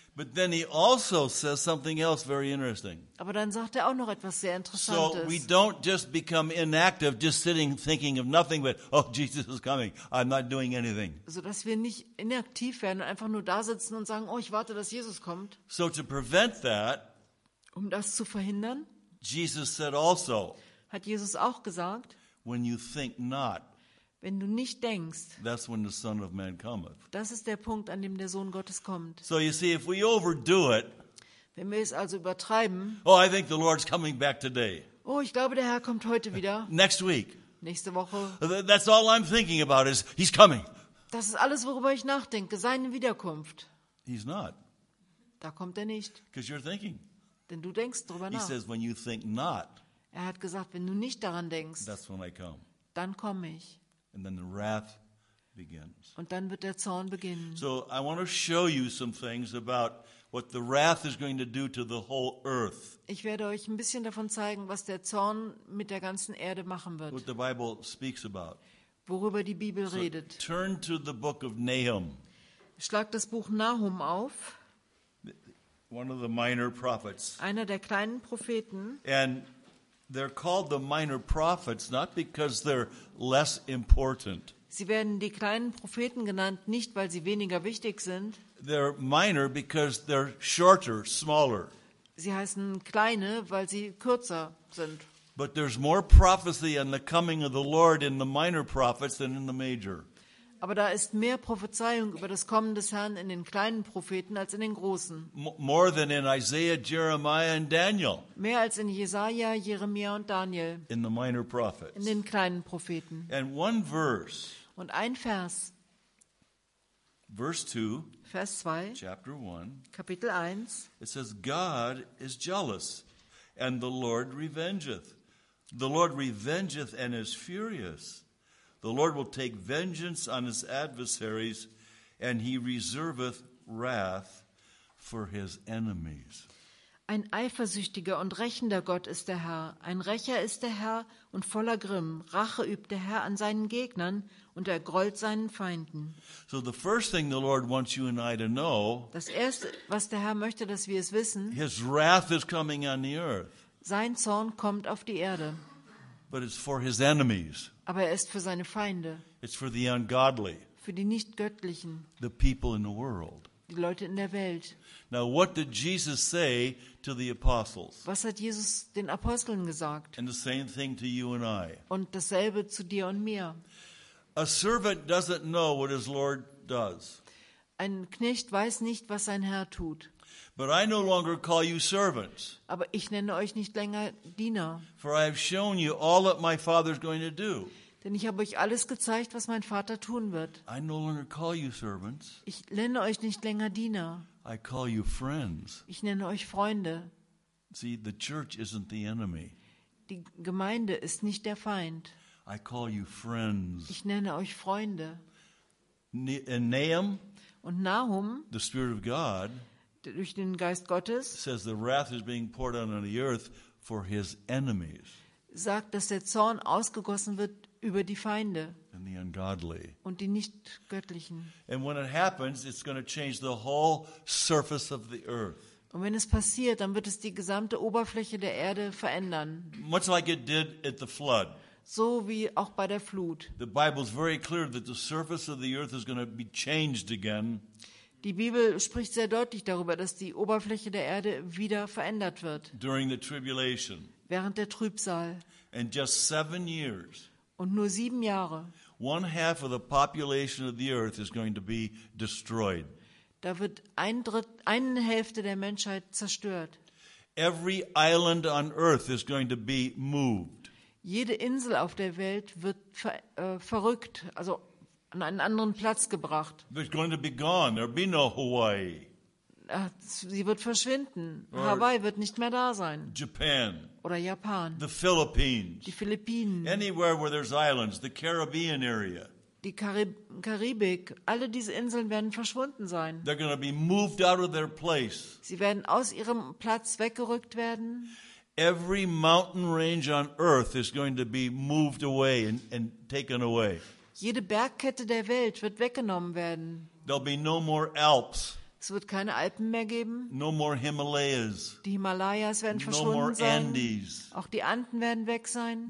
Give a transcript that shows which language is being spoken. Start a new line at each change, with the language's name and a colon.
English: But then he also says something else very interesting.
German: Aber dann sagt er auch noch etwas sehr Interessantes.
English: So we don't just become inactive, just sitting, thinking of nothing but, oh, Jesus is coming, I'm not doing anything.
German: So dass wir nicht inaktiv werden und einfach nur da sitzen und sagen, oh, ich warte, dass Jesus kommt.
English: So to prevent that,
German: um das zu verhindern,
English: Jesus said also,
German: hat Jesus auch gesagt,
English: when you think not,
German: wenn du nicht denkst,
English: that's when the Son of Man cometh.
German: Das ist der Punkt, an dem der Sohn Gottes kommt.
English: So you see, if we overdo it,
German: wenn wir es also übertreiben,
English: oh, I think the Lord's coming back today.
German: Oh, ich glaube, der Herr kommt heute wieder.
English: Next week.
German: Nächste Woche.
English: That's all I'm thinking about is he's coming.
German: Das ist alles, worüber ich nachdenke, seine Wiederkunft.
English: He's not.
German: Da kommt er nicht.
English: Because you're thinking.
German: Denn du denkst drüber nach.
English: He says, when you think not,
German: er hat gesagt, wenn du nicht daran denkst,
English: that's when I come.
German: Dann komme ich.
English: And then the wrath begins.
German: Und dann wird der Zorn beginnen.
English: So I want to show you some things about what the wrath is going to do to the whole earth.
German: Ich werde euch ein bisschen davon zeigen, was der Zorn mit der ganzen Erde machen wird.
English: What the Bible speaks about.
German: Worüber die Bibel redet.
English: Turn to the book of Nahum.
German: Schlag das Buch Nahum auf.
English: One of the minor prophets.
German: Einer der kleinen Propheten.
English: And they're called the minor prophets not because they're less important.
German: Sie werden die kleinen Propheten genannt, nicht weil sie weniger wichtig sind.
English: They're minor because they're shorter, smaller.
German: Sie heißen kleine, weil sie kürzer sind.
English: But there's more prophecy on the coming of the Lord in the minor prophets than in the major.
German: Aber da ist mehr Prophezeiung über das Kommen des Herrn in den kleinen Propheten als in den großen.
English: More than in Isaiah, Jeremiah and Daniel.
German: Mehr als in Jesaja, Jeremia und Daniel.
English: In the minor prophets.
German: In den kleinen Propheten.
English: And one verse.
German: Und ein Vers.
English: Verse 2.
German: Vers 2.
English: Chapter 1.
German: Kapitel 1.
English: It says, God is jealous and the Lord revengeth. The Lord revengeth and is furious. The Lord will take vengeance on his adversaries, and he reserveth wrath for his enemies.
German: Ein eifersüchtiger und rächender Gott ist der Herr. Ein Rächer ist der Herr und voller Grimm. Rache übt der Herr an seinen Gegnern und er grollt seinen Feinden.
English: So the first thing the Lord wants you and I to know,
German: das Erste, was der Herr möchte, dass wir es wissen,
English: his wrath is coming on the earth.
German: Sein Zorn kommt auf die Erde.
English: But it's for his enemies.
German: Aber er ist für seine Feinde.
English: It's for the ungodly.
German: Für die Nichtgöttlichen.
English: The people in the world.
German: Die Leute in der Welt.
English: Now what did Jesus say to the apostles?
German: Was hat Jesus den Aposteln gesagt?
English: And the same thing to you and I.
German: Und dasselbe zu dir und mir.
English: A servant doesn't know what his Lord does.
German: Ein Knecht weiß nicht, was sein Herr tut.
English: But I no longer call you servants.
German: Aber ich nenne euch nicht länger Diener.
English: For I have shown you all that my Father is going to do.
German: Denn ich habe euch alles gezeigt, was mein Vater tun wird.
English: I no longer call you servants.
German: Ich nenne euch nicht länger Diener.
English: I call you friends.
German: Ich nenne euch Freunde.
English: See, the church isn't the enemy.
German: Die Gemeinde ist nicht der Feind.
English: I call you friends.
German: Ich nenne euch Freunde.
English: Nahum,
German: und Nahum,
English: the Spirit of God,
German: durch den Geist Gottes,
English: says the wrath is being poured out on the earth for his enemies.
German: Sagt, dass der Zorn ausgegossen wird über die Feinde
English: and the ungodly.
German: Und die Nichtgöttlichen.
English: And when it happens, it's going to change the whole surface of the earth.
German: Und wenn es passiert, dann wird es die gesamte Oberfläche der Erde verändern.
English: Much like it did at the flood.
German: So wie auch bei der Flut.
English: The Bible is very clear that the surface of the earth is going to be changed again.
German: Die Bibel spricht sehr deutlich darüber, dass die Oberfläche der Erde wieder verändert wird.
English: During the tribulation.
German: Während der Trübsal.
English: And just 7 years.
German: Und nur 7 Jahre.
English: One half of the population of the earth is going to be destroyed.
German: Da wird eine Hälfte der Menschheit zerstört.
English: Every island on earth is going to be moved.
German: Jede Insel auf der Welt wird verrückt, also an einen anderen Platz gebracht.
English: It's going to be gone. There'll be no Hawaii.
German: Sie wird verschwinden.
English: Or
German: Hawaii wird nicht mehr da sein.
English: Japan.
German: Oder Japan.
English: The Philippines.
German: Die Philippinen.
English: Anywhere where there's islands, the Caribbean area.
German: Die Karibik. Alle diese Inseln werden verschwunden sein.
English: They're going to be moved out of their place.
German: Sie werden aus ihrem Platz weggerückt werden.
English: Every mountain range on earth is going to be moved away and taken away.
German: Jede Bergkette der Welt wird weggenommen werden.
English: There'll be no more Alps.
German: Es wird keine Alpen mehr geben.
English: No more Himalayas.
German: Die Himalayas werden verschwunden sein.
English: No more Andes.
German: Auch die Anden werden weg sein.